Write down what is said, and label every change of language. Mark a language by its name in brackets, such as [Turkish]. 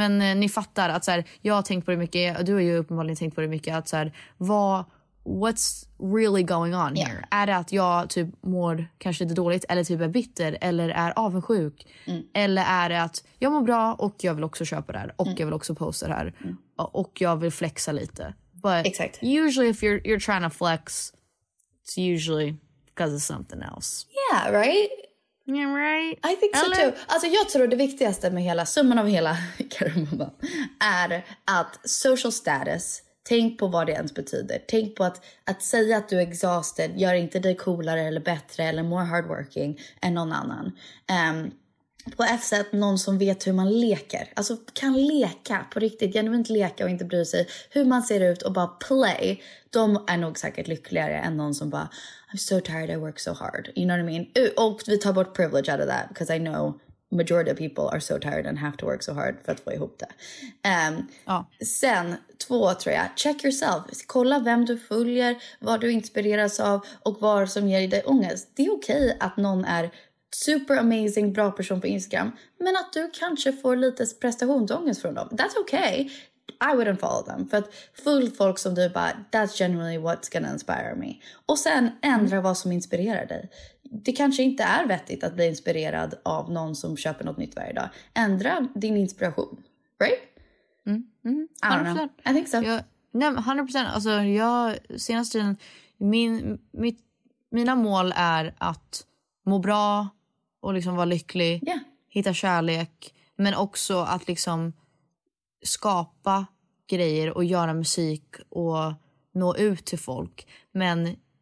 [Swedish] Men ni fattar att så här, jag har tänkt på det mycket, och du har ju uppenbarligen tänkt på det mycket, att så här, [English] what's really going on here? Yeah. [Swedish] Är det att jag typ mår kanske lite dåligt, eller typ är bitter, eller är avundsjuk? Mm. Eller är det att jag mår bra och jag vill också köpa det här, och jag vill också posta det här, och jag vill flexa lite? [English] But exactly. Usually if you're trying to flex, it's usually because of something else. Yeah, right? Yeah, right? I think [Swedish] eller? [English] So too. [Swedish] Alltså jag tror det viktigaste med hela summan av hela karamba är att social status... Tänk på vad det ens betyder. Tänk på att säga att du är exhausted gör inte dig coolare eller bättre eller [English] more hardworking [Swedish] än någon annan. På ett sätt, någon som vet hur man leker. Alltså kan leka på riktigt, genuint leka och inte bry sig hur man ser ut och bara play. De är nog säkert lyckligare än någon som bara, [English] I'm so tired, I work so hard. You know what I mean? [Swedish] Och vi tar bort [English] privilege out of that, because I know... Majority of people are so tired and have to work so hard [Swedish] för att få ihop det. Sen, två tror jag. [English] Check yourself. [Swedish] Kolla vem du följer, vad du inspireras av och vad som ger dig ångest. Det är okej att någon är super amazing, bra person på Instagram, men att du kanske får lite prestationsångest från dem. [English] That's okay. I wouldn't follow them. [Swedish] För att full folk som du bara, [English] that's generally what's gonna inspire me. [Swedish] Och sen ändra vad som inspirerar dig. Det kanske inte är vettigt att bli inspirerad av någon som köper något nytt varje dag. Ändra din inspiration. [English] Right? Mm. Mm. 100%. I don't know. I think so. [Swedish] Jag, nej, [English] 100%. [Swedish] Alltså, jag, senaste tiden, mina mål är att må bra och liksom vara lycklig. [English] Yeah. [Swedish] Hitta kärlek. Men också att liksom skapa grejer och göra musik och nå ut till folk. Men...